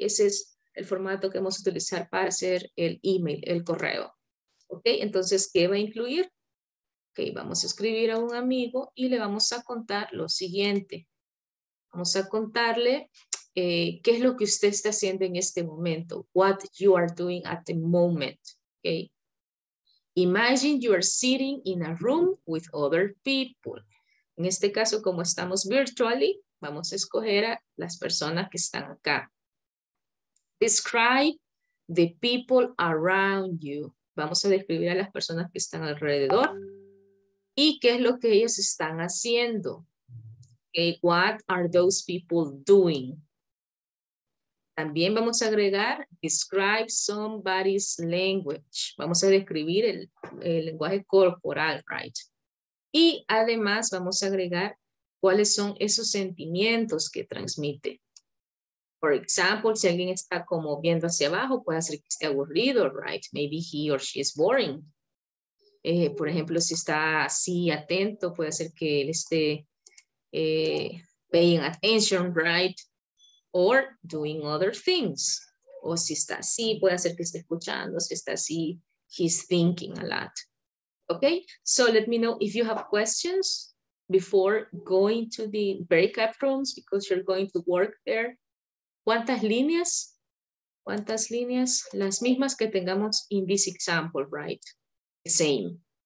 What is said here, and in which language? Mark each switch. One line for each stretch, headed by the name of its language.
Spanish: Ese es el formato que vamos a utilizar para hacer el email, el correo. Okay? Entonces, ¿qué va a incluir? Okay, vamos a escribir a un amigo y le vamos a contar lo siguiente. Vamos a contarle qué es lo que usted está haciendo en este momento.
English: What you are doing at the moment. Okay? Imagine you are sitting in a room with other people.
Spanish: En este caso, como estamos virtually, vamos a escoger a las personas que están acá.
English: Describe the people around you.
Spanish: Vamos a describir a las personas que están alrededor. ¿Y qué es lo que ellos están haciendo?
English: Okay, what are those people doing?
Spanish: También vamos a agregar,
English: describe somebody's language.
Spanish: Vamos a describir el lenguaje corporal, right? Y además vamos a agregar cuáles son esos sentimientos que transmite. For example, si alguien está como viendo hacia abajo, puede ser que esté aburrido, right?
English: Maybe he or she is boring.
Spanish: Por ejemplo, si está así atento, puede ser que él esté
English: paying attention,
Spanish: right?
English: Or doing other things.
Spanish: O si está así, puede ser que esté escuchando. Si está así,
English: he's thinking a lot. Okay, so let me know if you have questions before going to the breakout rooms because you're going to work there.
Spanish: ¿Cuántas líneas? ¿Cuántas líneas? Las mismas que tengamos
English: in this example,
Spanish: right? Same.